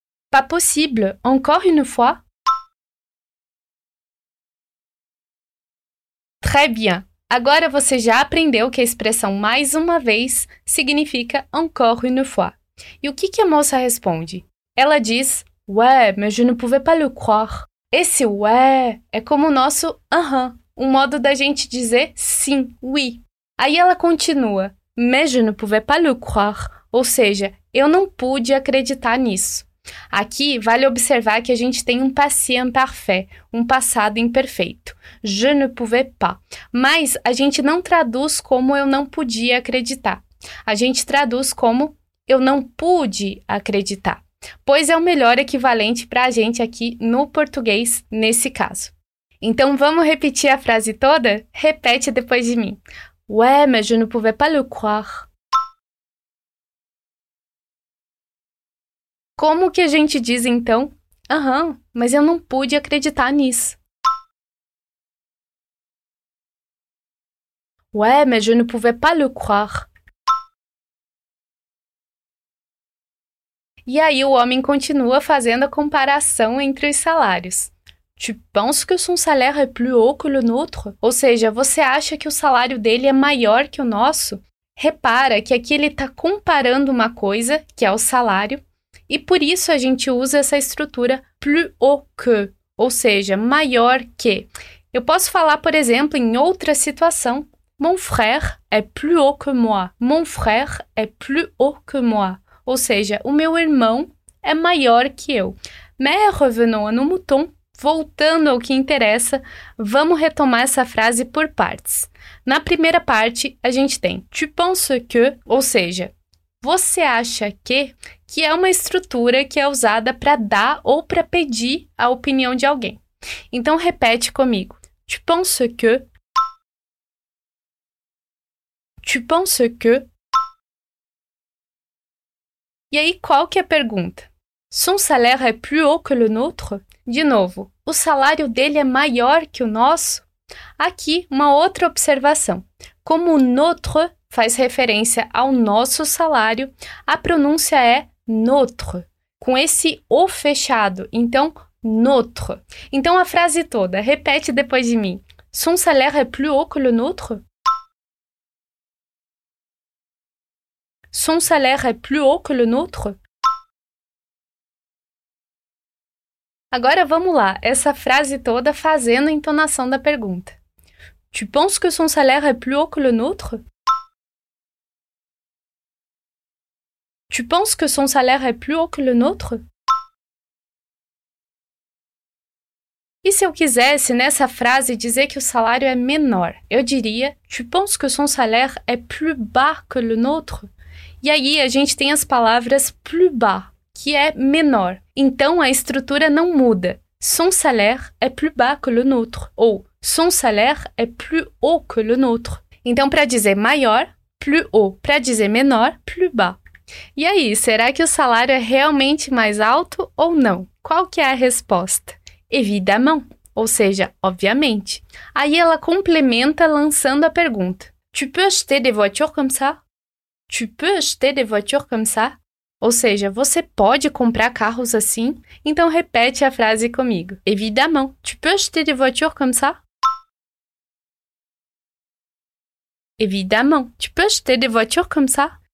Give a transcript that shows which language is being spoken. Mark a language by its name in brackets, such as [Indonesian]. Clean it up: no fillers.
[French] Pas possible. Encore une fois? Très bien. [Portuguese] Agora você já aprendeu que a expressão mais uma vez significa encore une fois. E o que a moça responde? Ela diz... [French] Ouais, mais je ne pouvais pas le croire. [Portuguese] Esse ouais é como o nosso aham, um modo da gente dizer sim, oui. Aí ela continua, mais je ne pouvais pas le croire, ou seja, eu não pude acreditar nisso. Aqui, vale observar que a gente tem um passé imparfait, um passado imperfeito. Je ne pouvais pas. Mas a gente não traduz como eu não podia acreditar. A gente traduz como eu não pude acreditar. Pois é o melhor equivalente para a gente aqui no português, nesse caso. Então, vamos repetir a frase toda? Repete depois de mim. [French] Ouais, mais je ne pouvais pas le croire. [Portuguese] Como que a gente diz, então? Aham, mas eu não pude acreditar nisso. [French] Ouais, mais je ne pouvais pas le croire. [Portuguese] E aí o homem continua fazendo a comparação entre os salários. [French] Tu penses que son salaire est plus haut que le nôtre? [Portuguese] Ou seja, você acha que o salário dele é maior que o nosso? Repara que aqui ele está comparando uma coisa, que é o salário, e por isso a gente usa essa estrutura plus haut que, ou seja, maior que. Eu posso falar, por exemplo, em outra situação. [French] Mon frère est plus haut que moi. Mon frère est plus haut que moi. [Portuguese] Ou seja, o meu irmão é maior que eu. Mais revenons à nos moutons. Voltando ao que interessa, vamos retomar essa frase por partes. Na primeira parte, a gente tem tu penses que, ou seja, você acha que é uma estrutura que é usada para dar ou para pedir a opinião de alguém. Então, repete comigo. Tu penses que... [French] Tu penses que... [Portuguese] E aí, qual que é a pergunta? [French] Son salaire est plus haut que le nôtre? [Portuguese] De novo, o salário dele é maior que o nosso? Aqui, uma outra observação. Como o nôtre faz referência ao nosso salário, a pronúncia é nôtre, com esse O fechado. Então, nôtre. Então, a frase toda, repete depois de mim. [French] Son salaire est plus haut que le nôtre? Son salaire est plus haut que le nôtre? [Portuguese] Agora vamos lá, essa frase toda fazendo a entonação da pergunta. [French] Tu penses que son salaire est plus haut que le nôtre? Tu penses que son salaire est plus haut que le nôtre? [Portuguese] E se eu quisesse nessa frase dizer que o salário é menor, eu diria Tu penses que son salaire est plus bas que le nôtre? E aí, a gente tem as palavras plus bas, que é menor. Então, a estrutura não muda. [French] Son salaire est plus bas que le nôtre. Ou son salaire est plus haut que le nôtre. [Portuguese] Então, para dizer maior, plus haut. Para dizer menor, plus bas. E aí, será que o salário é realmente mais alto ou não? Qual que é a resposta? Évidemment. Ou seja, obviamente. Aí ela complementa lançando a pergunta. [French] Tu peux acheter des voitures comme ça? Tu peux acheter des voitures comme ça? [Portuguese] Ou seja, você pode comprar carros assim? Então repete a frase comigo. [French] Évidemment. Tu peux acheter des voitures comme ça? Évidemment. Tu peux acheter des voitures comme ça?